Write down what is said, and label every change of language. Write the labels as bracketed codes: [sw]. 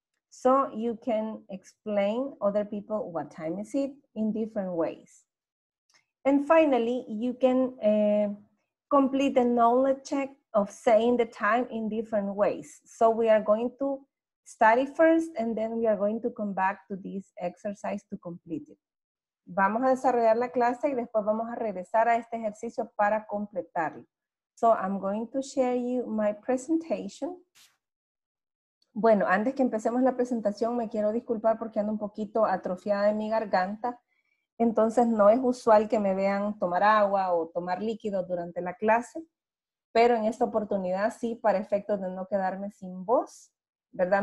[en] So you can explain other people what time is it in different ways. And finally, you can complete the knowledge check of saying the time in different ways. So we are going to study first and then we are going to come back to this exercise to complete it. [es] Vamos a desarrollar la clase y después vamos a regresar a este ejercicio para completarlo. [en] So I'm going to share you my presentation. [es] Bueno, antes que empecemos la presentación, me quiero disculpar porque ando un poquito atrofiada de mi garganta. Entonces no es usual que me vean tomar agua o tomar líquido durante la clase. Pero en esta oportunidad sí, para efectos de no quedarme sin voz. ¿Verdad?